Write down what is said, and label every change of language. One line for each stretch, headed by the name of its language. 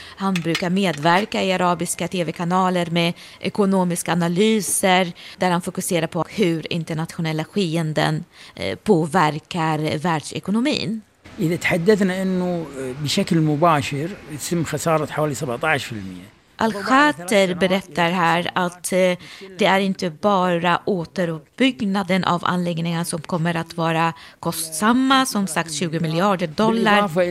Swedish: Han brukar medverka i arabiska tv-kanaler med ekonomiska analyser där han fokuserar på hur internationella skeenden påverkar världsekonomin.
Arabic: إذا تحدثنا انه بشكل مباشر يتم خسارة حوالي 17%.
Swedish: Al-Khater berättar här att det är inte bara återuppbyggnaden av anläggningen som kommer att vara kostsamma, som sagt 20 miljarder dollar.